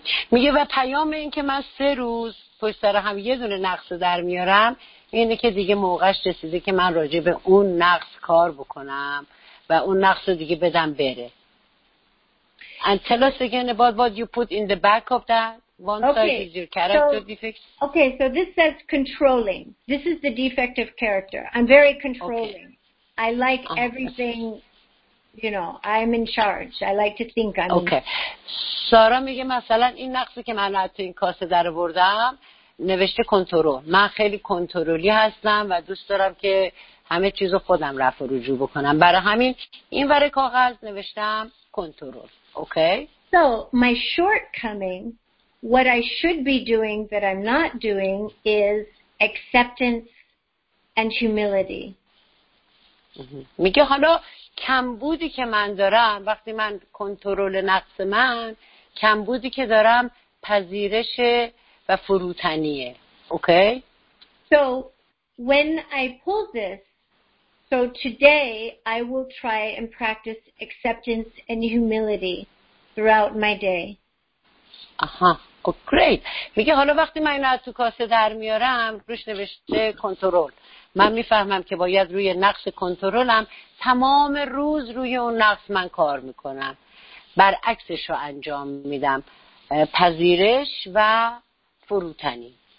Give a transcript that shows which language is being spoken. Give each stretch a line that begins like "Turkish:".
Persian: میگه و پیام این که من 3 روز پشت سر هم یه دونه نقص در میارم اینه که دیگه موقعش رسیده که من راجع به اون نقص کار بکنم و اون نقص رو دیگه بدم بره.
English: And tell us again about what you put in the back of that. One side is your character defect. Okay, so this says controlling. This is the defect of character. I'm very controlling. Okay. I like everything... You know, I'm in charge. I like to think I'm okay.
Persian: سارا میگه مثلا این نقصی که من از این کاسه در آوردم نوشته کنترل. من خیلی کنترلی هستم و دوست دارم که همه چیزو خودم رفع و رجوع بکنم. برای همین این ور کاغذ نوشتم کنترل.
English: Okay? So, my shortcoming, what I should be doing that I'm not doing is acceptance and humility.
Persian: میگه حالا کمبودی که من دارم وقتی من کنترل نقص من کمبودی که دارم پذیرش و فروتنیه. اوکی؟
English: So when I pull this, so today I will try and practice acceptance and humility throughout my day.
Persian: آها.
English: Oh, great.
Persian: میگه حالا وقتی من اینو از تو کاسه در میارم روش نوشته کنترل، من میفهمم که باید روی نقص کنترلم تمام روز روی اون نقص من کار میکنم، برعکسش رو انجام میدم، پذیرش و فروتنی.